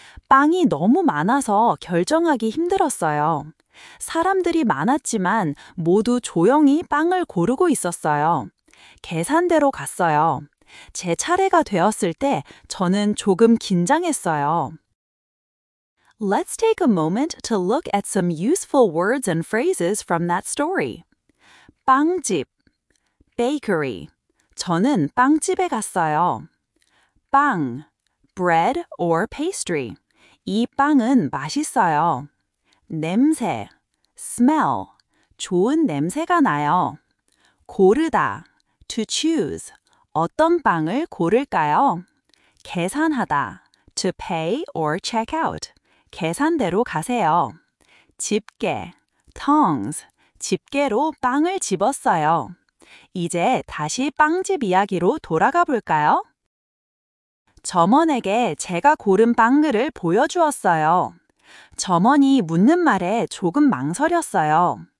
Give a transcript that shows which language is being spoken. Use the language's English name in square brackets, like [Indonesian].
[Korean] 빵이 너무 많아서 결정하기 힘들었어요. 사람들이 많았지만 모두 조용히 빵을 고르고 있었어요. 계산대로 갔어요. 제 차례가 되었을 때 저는 조금 긴장했어요. [English] Let's take a moment to look at some useful words and phrases from that story. [Korean] 빵집, bakery. 저는 빵집에 갔어요. 빵, [English] bread or pastry. [Korean] 이 빵은 맛있어요. 냄새, smell. 좋은 냄새가 나요. [English] 고르다, to choose. [Korean] 어떤 빵을 고를까요? [English] 계산하다, to pay or check out. [Korean] 계산대로 가세요. 집게, tongs, 집게로 빵을 집었어요. 이제 다시 빵집 이야기로 돌아가 볼까요? 점원에게 제가 고른 빵들을 보여주었어요. 점원이 묻는 말에 조금 망설였어요.